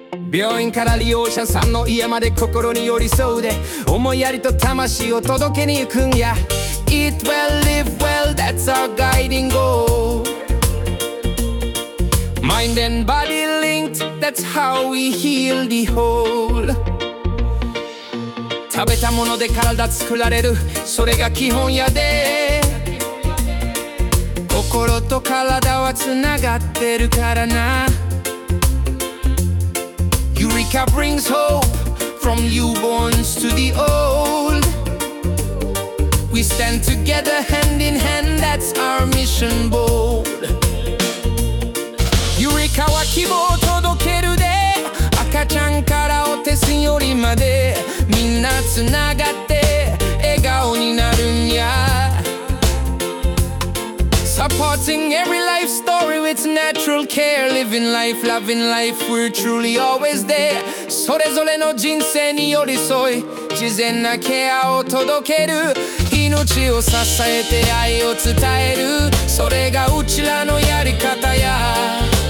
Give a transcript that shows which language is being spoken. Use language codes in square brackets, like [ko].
[ja] 病院から利用者さんの家まで心に寄り添うで、思いやりと魂を届けに行くんや。 [en] Eat well, live well, that's our guiding goal. Mind and body linked, that's how we heal the whole. [ja] 食べたもので体作られる、それが基本やで。心と体はつながってるからな。 [en] Eureka brings hope from newborns to the old. We stand together hand in hand, that's our mission bold. [ja] Eureka は希望を届けるで、赤ちゃんからお手すよりまで、みんなつながって笑顔になるんや。 [en] Supporting everyStory with natural care, living life, loving life, we're truly always there. [ja] それぞれの人生に寄り添い、自然なケアを届ける。命を支えて愛を伝える。それがうちらのやり方や。